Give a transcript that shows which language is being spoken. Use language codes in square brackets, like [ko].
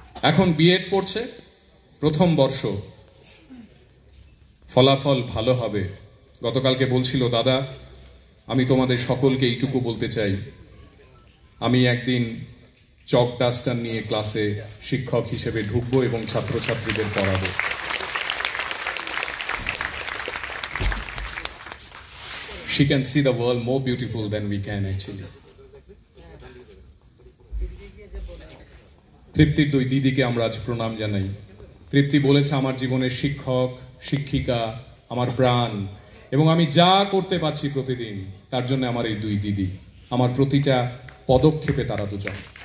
[bn] এখন বিএড পড়ছে, প্রথম বর্ষ, ফলাফল ভালো হবে। গতকালকে বলছিল, দাদা আমি তোমাদের সকলকে এইটুকু বলতে চাই, আমি একদিন চক ডাস্টার নিয়ে ক্লাসে শিক্ষক হিসেবে ঢুকব এবং ছাত্রছাত্রীদের পড়াব। [en] She can see the world more beautiful than we can actually. [bn] তৃপ্তির দুই দিদিকে আমরা আজ প্রণাম জানাই। তৃপ্তি বলেছে, আমার জীবনের শিক্ষক শিক্ষিকা আমার প্রাণ, এবং আমি যা করতে পারছি প্রতিদিন তার জন্য আমার এই দুই দিদি, আমার প্রতিটা পদক্ষেপে তারা দুজন।